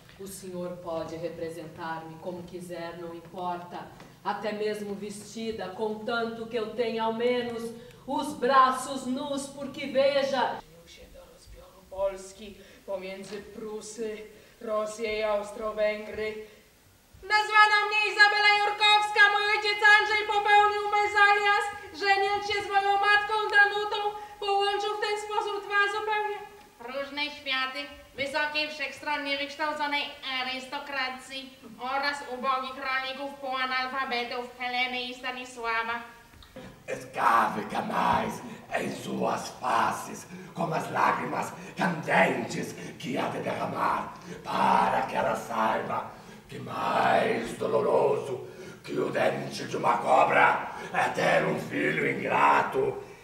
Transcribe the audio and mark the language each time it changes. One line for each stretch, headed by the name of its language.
Portuguese: O senhor pode representar-me como quiser, não importa, até mesmo vestida, contanto que eu tenha ao menos os braços nus, porque veja...
Polish: Polski, pomiędzy Prusy, Rosję i Austro-Węgry. Nazwana mnie Izabela Jurkowska, mój ojciec Andrzej popełnił mezalias, żeniąc się z moją matką Danutą, połączył w ten sposób dwa zupełnie... Różne światy wysokiej, wszechstronnie wykształconej arystokracji oraz ubogich rolników półanalfabetów Heleny i Stanisława.
Portuguese: Es cabe jamais em suas faces como as lágrimas candentes que há de derramar para que ela saiba que mais doloroso que o dente de uma cobra é ter filho ingrato.